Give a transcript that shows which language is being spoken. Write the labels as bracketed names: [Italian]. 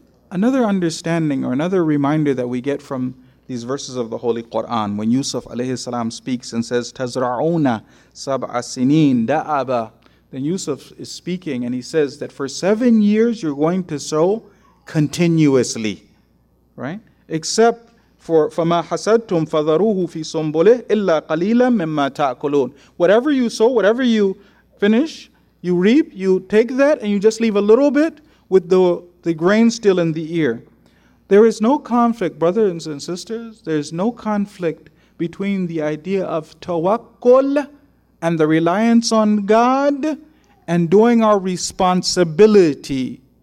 [English] Another understanding or another reminder that we get from these verses of the Holy Quran, when Yusuf alayhi salam speaks and says, [Arabic] Tazra'una sab'a sinin da'aba. [English] Then Yusuf is speaking and he says that for 7 years you're going to sow continuously, right? Except for [Arabic] فَمَا حَسَدْتُمْ فَذَرُوهُ فِي سُنْبُلِهِ إِلَّا قَلِيلًا مِمَّا تَأْكُلُونَ. [English] Whatever you sow, whatever you finish, you reap, you take that and you just leave a little bit with the grain still in the ear. There is no conflict, brothers and sisters, there is no conflict between the idea of tawakkul and the reliance on God and doing our responsibility.